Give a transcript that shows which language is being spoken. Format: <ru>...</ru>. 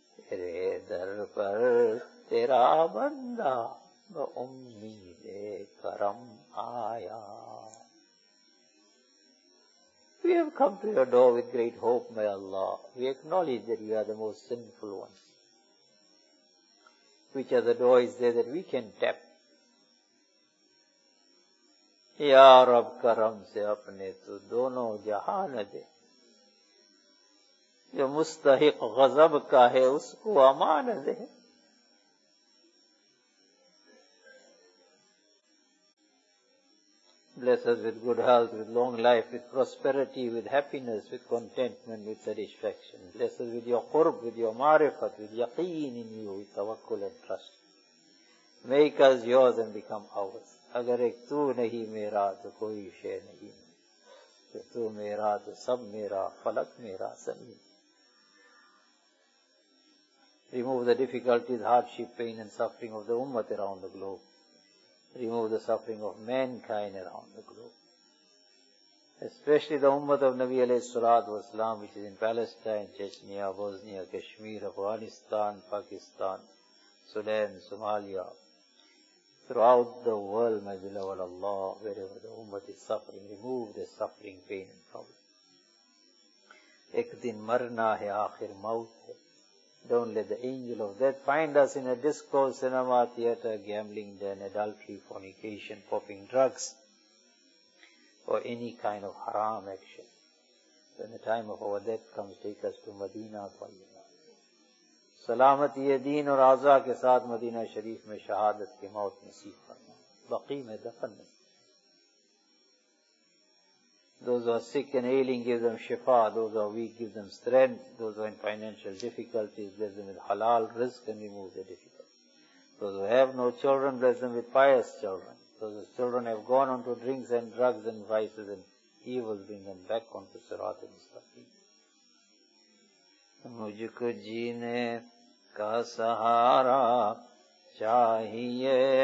<ur>تیرے در پر تیرا بندہ بامید کرم آیا</ur> <en>We have come to your door with great hope, my Allah. We acknowledge that you are the most sinful one. Which other door is there that we can tap?</en> <ur>یا رب کرم سے اپنے تو دونوں جہان دے جو مستحق غضب کا ہے اس کو امان دے</ur> <en>Bless us with good health, with long life, with prosperity, with happiness, with contentment, with satisfaction. Bless us with your qurb, with your marifat, with yaqeen in you, with tawakkul and trust. Make us yours and become ours.</en> <ur>اگر ایک تو نہیں میرا تو کوئی شے نہیں تو تو میرا تو سب میرا فلک میرا زمین</ur> <en>Remove the difficulties, hardship, pain and suffering of the ummat around the globe. Remove the suffering of mankind around the globe. Especially the ummat of Nabi alayhi salatu wasalam, which is in Palestine, Chechnya, Bosnia, Kashmir, Afghanistan, Pakistan, Sudan, Somalia. throughout the world, my beloved Allah, wherever the ummah is suffering, remove the suffering, pain and problem.</en> <ur>Ek din marna hai, akhir maut hai.</ur> <en>Don't let the angel of death find us in a disco, cinema, theater, gambling den, adultery, fornication, popping drugs, or any kind of haram action. When the time of our death comes, take us to Madina.</en> <ur>سلامتی دین اور اعضاء کے ساتھ مدینہ شریف میں شہادت کی موت نصیب فرمانا. بقی میں دفن نہیں.</ur> <en>Those who are sick and ailing, give them shifa. Those who are weak, give them strength. Those who are in financial difficulties, bless them with halal rizq and remove the difficulty. Those who have no children, bless them with pious children. Those whose children have gone on to drinks and drugs and vices and evils, bring them back onto sirat and mustaqim.</en> <ur>مجھ کو جینے کا سہارا چاہیے</ur>